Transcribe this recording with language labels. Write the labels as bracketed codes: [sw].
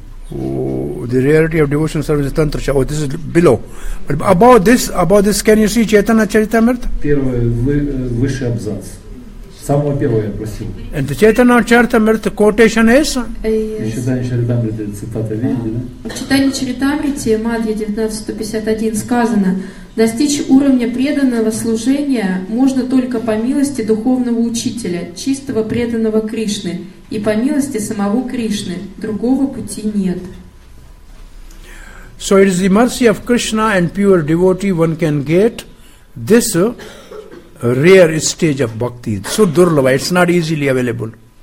[en] The reality of devotional service is Tantra Shastra. Oh, this is below. But about this, can you see Chaitanya Charitamrita? [ru] Высший абзац. Самого первого я просил. [en] And the Chaitanya Charitamrita quotation is? Yes. [ru] Читание Чаритамриты, цитата, видите, да? В читании Чаритамрите, Мадья 1951, сказано: «Достичь уровня преданного служения можно только по милости духовного учителя, чистого преданного Кришны, и по милости самого Кришны. Другого пути нет». [en] So it is the mercy of Krishna and pure devotee one can get this rare stage of bhakti. So durlabha, it's not easily available.